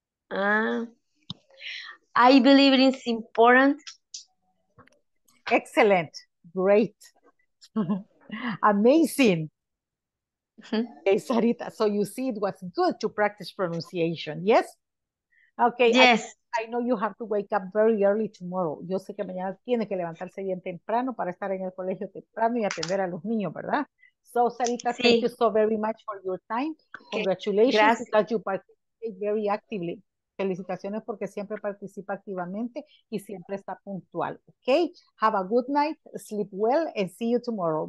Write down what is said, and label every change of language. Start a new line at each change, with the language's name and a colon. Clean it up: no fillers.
English: I believe it is important. Excellent. Great. Amazing. Okay, Sarita. So you see it was good to practice pronunciation. Yes? Okay. Yes. I know you have to wake up very early tomorrow.
Spanish: Yo sé que mañana tiene que levantarse bien temprano para estar en el colegio temprano y atender a los niños, ¿verdad?
English: So, Sarita, sí. Thank you so very much for your time. Congratulations.
Spanish: Gracias.
English: That you participate very actively.
Spanish: Felicitaciones porque siempre participa activamente y siempre está puntual.
English: Okay? Have a good night, sleep well, and see you tomorrow.